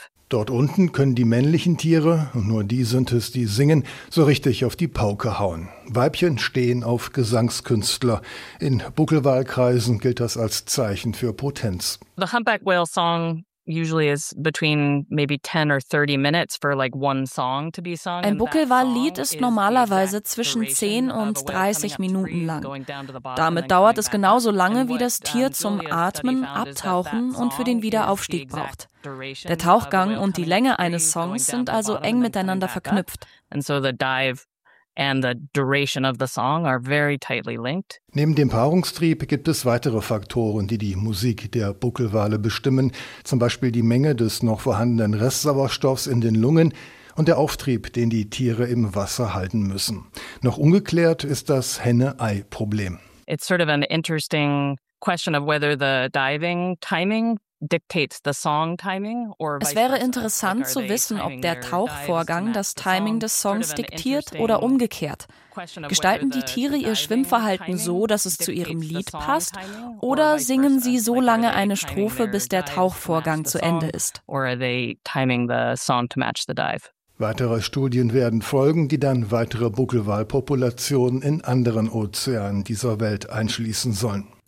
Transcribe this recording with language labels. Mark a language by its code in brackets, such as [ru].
[de] Dort unten können die männlichen Tiere, und nur die sind es, die singen, so richtig auf die Pauke hauen. Weibchen stehen auf Gesangskünstler. In Buckelwalkreisen gilt das als Zeichen für Potenz. [en] The humpback whale song usually is between maybe 10 or 30 minutes for like one song to be sung. [de] Ein Buckelwal-Lied ist normalerweise zwischen 10 und 30 Minuten lang. Damit dauert es genauso lange, wie das Tier zum Atmen, Abtauchen und für den Wiederaufstieg braucht. Der Tauchgang und die Länge eines Songs sind also eng miteinander verknüpft. [en] And so the dive and the duration of the song are very tightly linked. [de] Neben dem Paarungstrieb gibt es weitere Faktoren, die die Musik der Buckelwale bestimmen, zum Beispiel die Menge des noch vorhandenen Restsauerstoffs in den Lungen und der Auftrieb, den die Tiere im Wasser halten müssen. Noch ungeklärt ist das Henne-Ei-Problem. [en] It's sort of an interesting question of whether the diving timing dictates the song timing or [de] Es wäre interessant zu wissen, ob der Tauchvorgang das Timing des Songs diktiert oder umgekehrt. Gestalten die Tiere ihr Schwimmverhalten so, dass es zu ihrem Lied passt, oder singen sie so lange eine Strophe, bis der Tauchvorgang zu Ende ist? Weitere Studien werden folgen, die dann weitere Buckelwalpopulationen in anderen Ozeanen dieser Welt einschließen sollen.